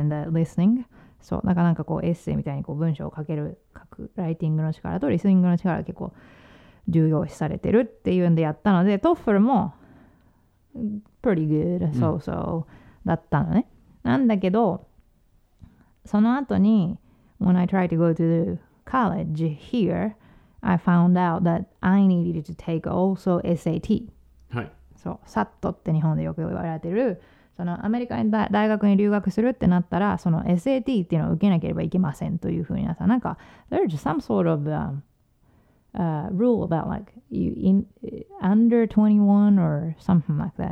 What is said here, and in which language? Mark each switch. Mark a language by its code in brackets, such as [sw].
[en] and then the listening. [ja] So, なかなかこうエッセイみたいにこう文章を書ける、書くライティングの力とリスニングの力が結構重要視されてるっていうんでやったので、TOEFL も [en] pretty good, so so、 [ja] うん、だったのね。なんだけど、その後に [en] when I tried to go to theCollege here, I found out that I needed to take also SAT. [ja] はい。そう、SAT って日本でよく言われてる、そのアメリカに大学に留学するってなったら、その SAT っていうのを受けなければいけませんというふうになった。 [en] なんか、there's some sort of rule about like you in under 21 or something like that.